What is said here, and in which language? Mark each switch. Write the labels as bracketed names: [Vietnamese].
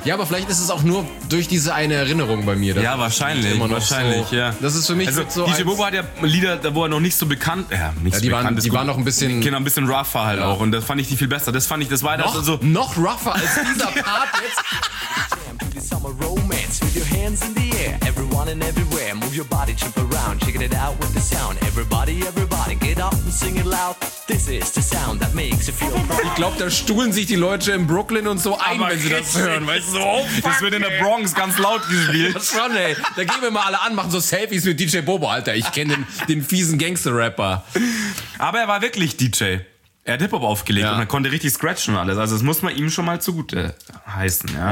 [German] Ja, aber vielleicht ist es auch nur durch diese eine Erinnerung bei mir. Ja, wahrscheinlich. Wahrscheinlich, so. Ja. Das ist für mich also, so. DJ Bobo hat ja Lieder, da wo er noch nicht so bekannt. Ja, nicht ja, die so waren, bekannt. Die waren noch ein bisschen. Genau, ein bisschen rougher halt auch. Und das fand ich die viel besser. Das fand ich, das war noch, das so. Noch rougher als dieser Part jetzt. [English] Hands in the air, everyone and everywhere. Move your body, jump around, checking it out with the sound. Everybody, everybody, get up and sing it loud. This is the sound that makes you feel proud. [German] Ich glaube, da stuhlen sich die Leute in Brooklyn und so ein, aber wenn sie das hören. Weißt du, so, oh, das wird in der Bronx ganz laut gespielt. Das schon, ey. Da gehen wir mal alle an, machen so Selfies mit DJ Bobo, Alter. Ich kenne den fiesen Gangster-Rapper. Aber er war wirklich DJ. Er hat Hip-Hop aufgelegt, ja. Und er konnte richtig scratchen und alles. Also das muss man ihm schon mal zugute heißen, ja.